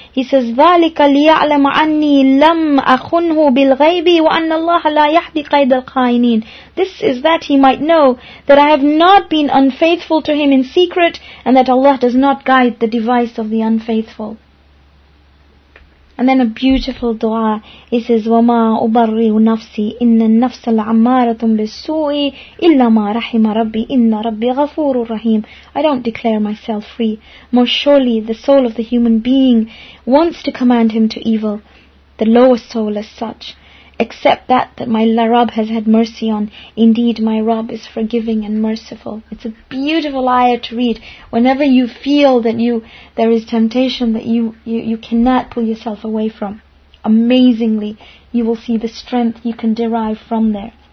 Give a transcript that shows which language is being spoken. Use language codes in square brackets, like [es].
[en] He says, [ar] ذَلِكَ لِيَعْلَمَ عَنِّي لَمْ أَخُنْهُ بِالْغَيْبِ وَأَنَّ اللَّهَ لَا يَحْدِي قَيْدَ الْخَائِنِينَ [en] This is that he might know that I have not been unfaithful to him in secret and that Allah does not guide the device of the unfaithful. And then a beautiful dua. He says, [ar] وَمَا أُبَرِّئُ نَفْسِي إِنَّ النَّفْسَ الْعَمَّارَةٌ بِالسُّوءِ إِلَّا مَا رَحِمَ رَبِّي إِنَّ رَبِّي غَفُورٌ رَحِيمٌ [en] I don't declare myself free. Most surely the soul of the human being wants to command him to evil, the lowest soul as such, except that my Rabb has had mercy on. Indeed, my Rabb is forgiving and merciful. It's a beautiful ayah to read. Whenever you feel that there is temptation that you cannot pull yourself away from, amazingly, you will see the strength you can derive from there.